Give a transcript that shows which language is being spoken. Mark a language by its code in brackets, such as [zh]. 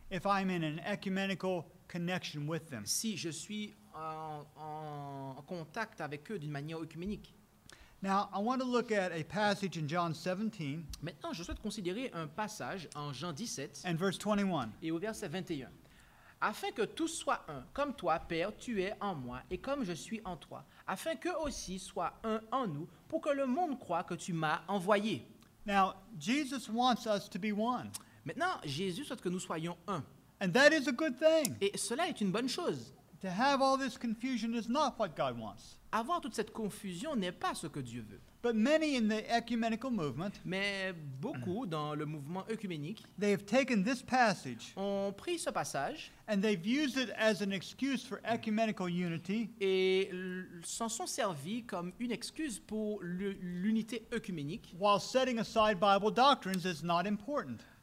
[en] if I'm in an ecumenical connection with them, [fr] si je suis en contact avec eux d'une manière œcuménique. [en] Now I want to look at a passage in John 17. [fr] Maintenant, je souhaite considérer un passage en Jean 17. [en] And verse 21. [fr] Et au verset 21. Afin que tous soient un, comme toi, Père, tu es en moi, et comme je suis en toi, afin qu'eux aussi soient un en nous, pour que le monde croie que tu m'as envoyé. [en] Now, Jesus wants us to be one. [fr] Maintenant, Jésus souhaite que nous soyons un. [en] And that is a good thing. [fr] Et cela est une bonne chose. [en] To have all this confusion is not what God wants. [fr] Avoir toute cette confusion n'est pas ce que Dieu veut. [en] But many in the ecumenical movement, [fr] mais beaucoup dans le mouvement œcuménique, [en] they have taken this passage, [fr] ont pris ce passage, [en] and they've used it as an excuse for ecumenical unity, [fr] et s'en sont servis comme une excuse pour l'unité œcuménique, [en] while setting aside Bible doctrines as not important.